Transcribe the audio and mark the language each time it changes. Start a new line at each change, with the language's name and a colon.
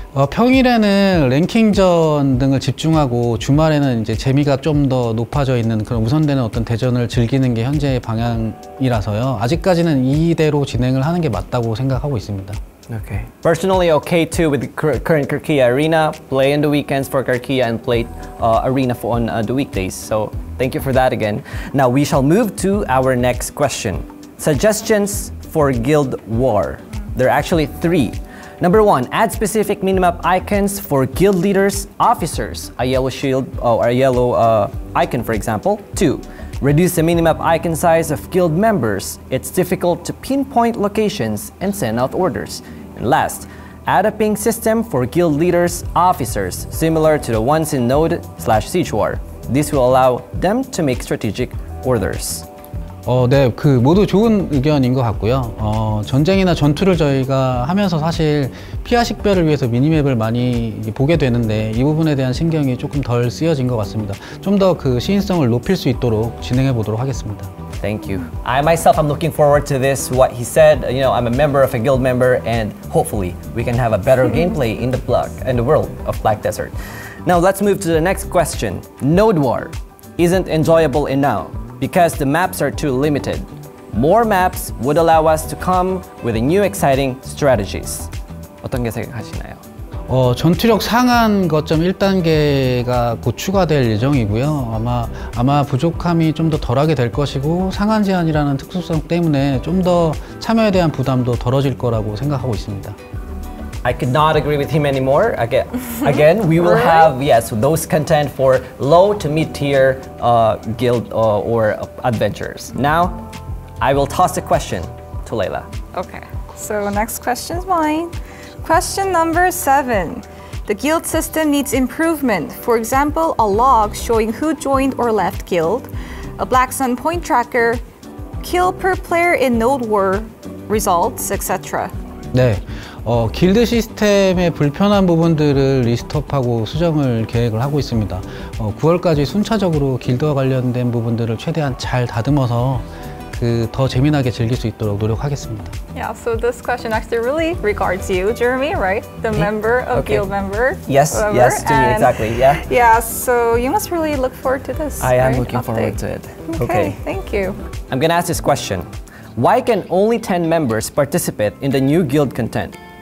Korean: 평일에는 랭킹전 등을 집중하고 주말에는 이제 재미가 좀 더 높아져 있는 그런 우선되는 어떤 대전을 즐기는 게 현재의 방향이라서요. 아직까지는 이대로 진행을 하는 게 맞다고 생각하고 있습니다.
English: Okay. Personally okay too with current Kirkia Arena. Play on the weekends for Kirkia and play Arena on the weekdays. So thank you for that again. Now we shall move to our next question. Suggestions for Guild War. There are actually 3. 1, add specific minimap icons for guild leaders, officers, a yellow shield or a yellow icon, for example. 2, Reduce the minimap icon size of guild members. It's difficult to pinpoint locations and send out orders. And last, add a ping system for guild leaders' officers, similar to the ones in Node/SiegeWar. This will allow them to make strategic orders.
Korean: 네, 그 모두 좋은 의견인 것 같고요. 전쟁이나 전투를 저희가 하면서 사실 피하 식별을 위해서 미니맵을 많이 보게 되는데 이 부분에 대한 신경이 조금 덜 쓰여진 것 같습니다. 좀 더 그 시인성을 높일 수 있도록 진행해 보도록 하겠습니다.
English: Thank you. I myself am looking forward to this, what he said. You know, I'm a member of a guild member and hopefully we can have a better gameplay in the block and the world of Black Desert. Now let's move to the next question. Node War isn't enjoyable enough because the maps are too limited. More maps would allow us to come with a new exciting strategies.
Korean: 어떤 게 생각하시나요? 전투력 상한 것점 1단계가 곧 추가될 예정이고요. 아마 부족함이 좀 더 덜하게 될 것이고 상한 제한이라는 특수성 때문에 좀 더 참여에 대한 부담도 덜어질 거라고 생각하고 있습니다.
English: I could not agree with him anymore. Again, we will have, yes, those content for low to mid tier guild or adventures. Now, I will toss the question to Layla. Okay, so next question is mine. Question number 7. The guild system needs improvement. For example, a log showing who joined or left guild, a Black Sun point tracker, kill per player in Node War results, etc.
Korean: 네. 길드 시스템의 불편한 부분들을 리스트업하고 수정을 계획을 하고 있습니다. 9월까지 순차적으로 길드와 관련된 부분들을 최대한 잘 다듬어서 그 더 재미나게 즐길 수 있도록 노력하겠습니다.
English: Yeah, so this question actually really regards you, Jeremy, right? The member of okay. guild member. Yes, whatever. Yes, to me, exactly. Yeah. Yeah, so you must really look forward to this. I am looking forward to it. Okay, thank you. I'm going to ask this question. Why can only 10 members participate in the new guild content?